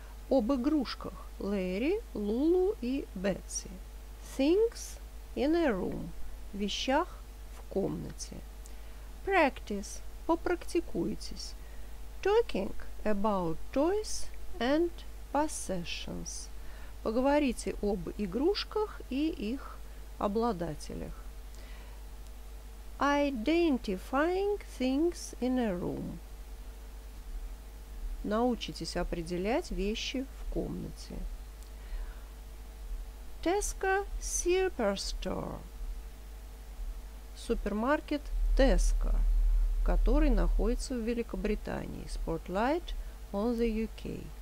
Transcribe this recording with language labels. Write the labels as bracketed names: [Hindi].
[Russian] Об игрушках. Larry, Lulu и Betsy. [English] Things in a room. [Russian] Вещах в комнате. [English] Practice. [Russian] Попрактикуйтесь. [English] Talking about toys and possessions. [Russian] Поговорите об игрушках и их обладателях. [English] Identifying things in a room. [Russian] Научитесь определять вещи в комнате. [English] Tesco Superstore. [Russian] Супермаркет Tesco, который находится в Великобритании. [English] Spotlight on the UK.